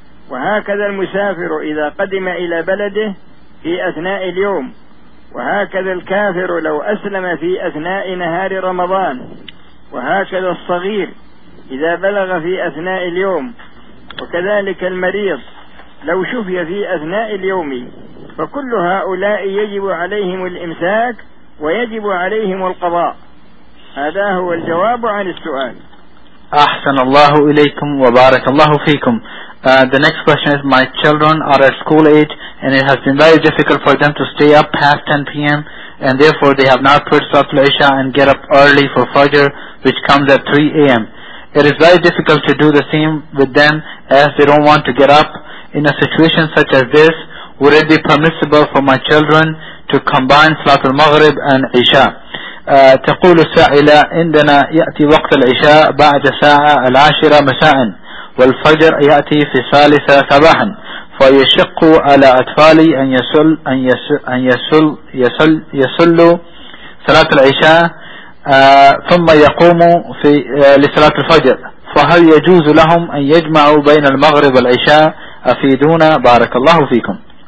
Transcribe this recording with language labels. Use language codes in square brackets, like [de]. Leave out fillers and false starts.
[ar] وهكذا المسافر إذا قدم إلى بلده في أثناء اليوم، وهكذا الكافر لو أسلم في أثناء نهار رمضان، وهكذا الصغير إذا بلغ في أثناء اليوم، وكذلك المريض لو شفي في أثناء اليوم، فكل هؤلاء يجب عليهم الإمساك ويجب عليهم القضاء. هذا هو الجواب عن السؤال. أحسن الله إليكم وبارك الله فيكم. [en] The next question is, my children are at school age and it has been very difficult for them to stay up past 10 p.m. and therefore they have not put salat al-Isha and get up early for Fajr, which comes at 3 a.m. It is very difficult to do the same with them as they don't want to get up. In a situation such as this, would it be permissible for my children to combine salat al-Maghrib and Isha? [ar] تقول السائلة عندنا يأتي وقت العشاء بعد ساعة العاشرة مساء والفجر يأتي في الثالثة صباحا، فيشق على أطفالي أن يصلوا صلاة العشاء ثم يقوموا في لصلاة الفجر، فهل يجوز لهم أن يجمعوا بين المغرب والعشاء؟ أفيدونا بارك الله فيكم.